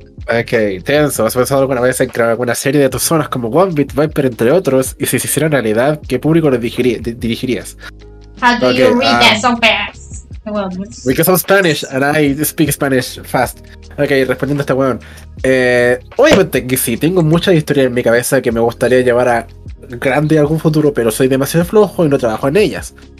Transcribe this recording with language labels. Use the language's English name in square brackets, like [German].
[Spanish] Okay, Tenzo, ¿has pensado alguna vez en crear alguna serie de tus zonas como One Bit, Viper, entre otros? Y si se hiciera realidad, ¿qué público le dirigirías? [English] How do okay, you read that so fast? Well, because I'm Spanish and I speak Spanish fast. [Spanish] Okay, respondiendo a este weón. Obviamente que sí, tengo muchas historias en mi cabeza que me gustaría llevar a grande algún futuro, pero soy demasiado flojo y no trabajo en ellas.